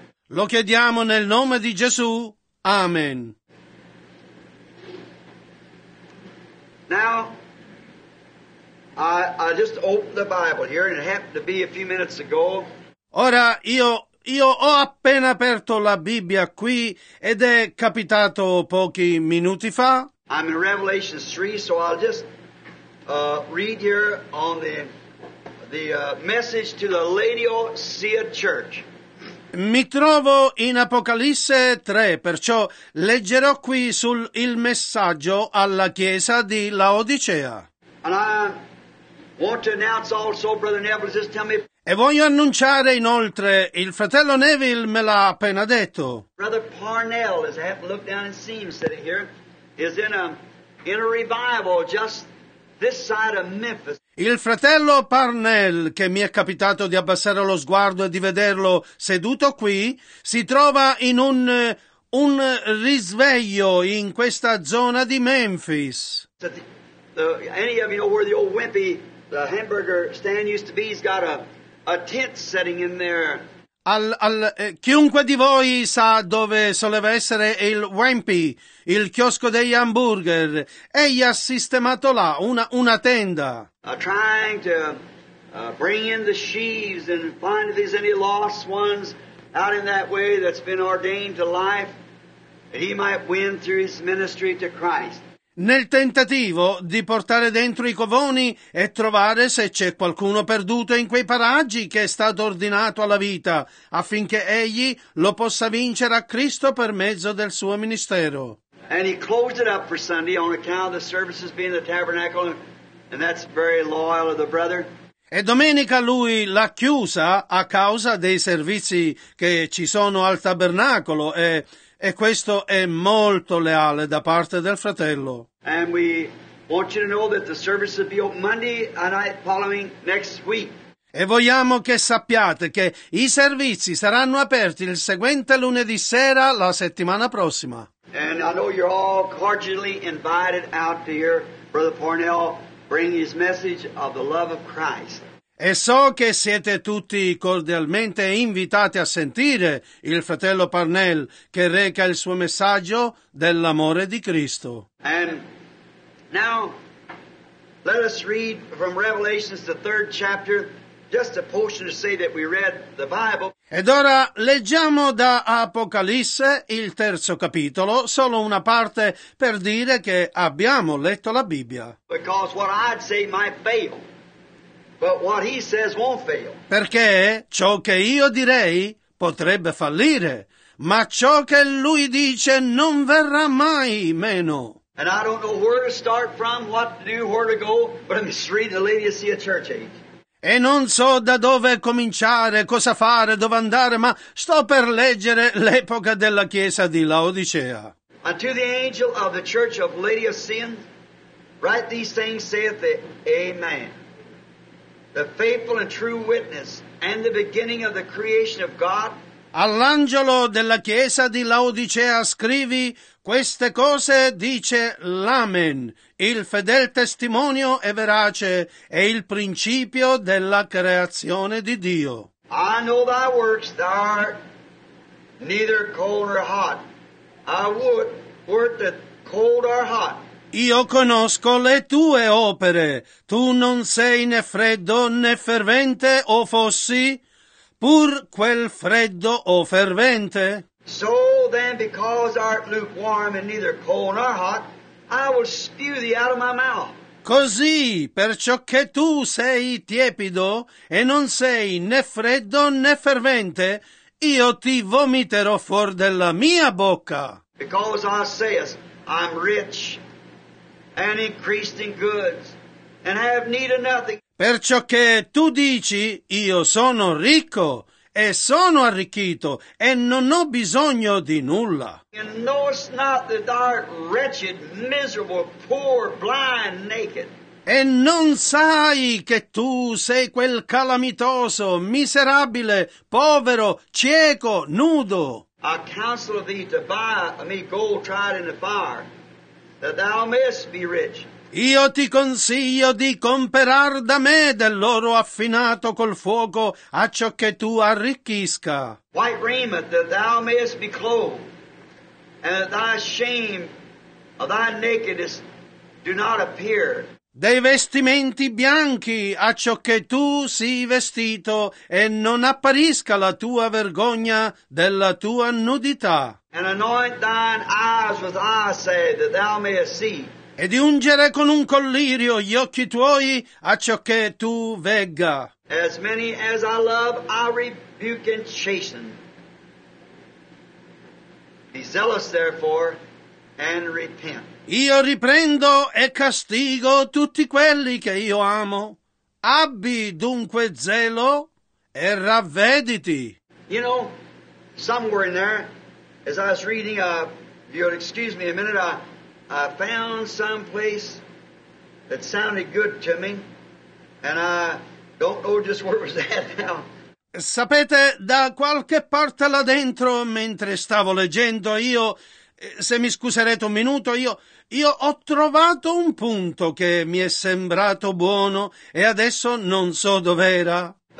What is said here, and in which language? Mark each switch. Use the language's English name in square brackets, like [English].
[Italian] Lo chiediamo nel nome di Gesù. Amen. [English] Now, I just opened the Bible here and it happened to be a few minutes ago. [Italian] Ora io ho appena aperto la Bibbia qui ed è capitato pochi minuti fa. [English] I'm in Revelation 3, so I'll just read here on the message to the Laodicea Church. [Italian] Mi trovo in Apocalisse 3, perciò leggerò qui sul il messaggio alla chiesa di Laodicea. [English] And I want to announce also, Brother Neville, just tell me. [Italian] E voglio annunciare inoltre, il fratello Neville me l'ha appena detto. [English] Brother Parnell, as I have to look down and see him sitting here, is in a revival just this side of Memphis. [Italian] Il fratello Parnell, che mi è capitato di abbassare lo sguardo e di vederlo seduto qui, si trova in un risveglio in questa zona di Memphis. [English] Any of you know where the old Wimpy, the hamburger stand used to be? He's got a tent sitting in there. [Italian] Chiunque di voi sa dove soleva essere il Wimpy, il chiosco degli hamburger. Egli ha sistemato là una tenda. [English] Trying to bring in the sheaves and find if there's any lost ones out in that way that's been ordained to life, that he might win through his ministry to Christ. [Italian] Nel tentativo di portare dentro i covoni e trovare se c'è qualcuno perduto in quei paraggi che è stato ordinato alla vita, affinché egli lo possa vincere a Cristo per mezzo del suo ministero. [English] And he closed it up for Sunday on account of the services being the tabernacle, and that's very loyal of the brother. [Italian] E domenica lui l'ha chiusa a causa dei servizi che ci sono al tabernacolo, e questo è molto leale da parte del fratello. [English] And we want you to know that the service will be open Monday night following next week. [Italian] E vogliamo che sappiate che i servizi saranno aperti il seguente lunedì sera la settimana prossima. [English] And I know you're all cordially invited out to hear Brother Parnell bring his message of the love of Christ. [Italian] E so che siete tutti cordialmente invitati a sentire il fratello Parnell che reca il suo messaggio dell'amore di Cristo. [English] And now let us read from Revelation the third chapter. Just a portion to say that we read the Bible. [Italian] Ed ora leggiamo da Apocalisse il terzo capitolo, solo una parte per dire che abbiamo letto la Bibbia. [English] Because what I'd say might fail, but what he says won't fail. [Italian] Perché ciò che io direi potrebbe fallire, ma ciò che lui dice non verrà mai meno. [English] And I don't know where to start from, what to do, where to go, but I'm just reading the Laodicea church age. [Italian] E non so da dove cominciare, cosa fare, dove andare, ma sto per leggere l'epoca della chiesa di Laodicea. [English] Unto the angel of the church of Laodicea, write these things, saith the Amen, the faithful and true witness, and the beginning of the creation of God. [Italian] All'angelo della chiesa di Laodicea scrivi queste cose, dice l'Amen, il fedel testimonio e verace, e il principio della creazione di Dio. [English] I know thy works, thou art neither cold nor hot. I would were that cold or hot. [Italian] Io conosco le tue opere, tu non sei né freddo né fervente, o fossi pur quel freddo o fervente. [English] So then, because art lukewarm and neither cold nor hot, I will spew thee out of my mouth. [Italian] Così, perciò che tu sei tiepido e non sei né freddo né fervente, io ti vomiterò fuor della mia bocca. [English] Because I sayest, I'm rich and increased in goods, and have need of nothing. [Italian] Perciò che tu dici, io sono ricco e sono arricchito e non ho bisogno di nulla. [English] And knowest not that thou art wretched, miserable, poor, blind, naked. [Italian] E non sai che tu sei quel calamitoso, miserabile, povero, cieco, nudo. [English] I counsel thee to buy me gold tried in the fire, that thou mayest be rich. [Italian] Io ti consiglio di comperar da me dell'oro affinato col fuoco, a ciò che tu arricchisca. [English] White raiment, that thou mayest be clothed, and that thy shame of thy nakedness do not appear. [Italian] Dei vestimenti bianchi, a ciò che tu sii vestito, e non apparisca la tua vergogna della tua nudità. [English] And anoint thine eyes with eye salve, that thou mayest see. [Italian] E di ungere con un collirio gli occhi tuoi a ciò che tu vegga. [English] As many as I love, I rebuke and chasten. Be zealous therefore and repent. [Italian] Io riprendo e castigo tutti quelli che io amo. Abbi dunque zelo e ravvediti. [English] You know, somewhere in there, as I was reading, you'll excuse me a minute, I found some place that sounded good to me, and I don't know just where was that now. [Italian] Sapete, da qualche parte là dentro, mentre stavo leggendo, io, se mi scuserete un minuto, io ho trovato un punto che mi è sembrato buono, e adesso non so dov'era.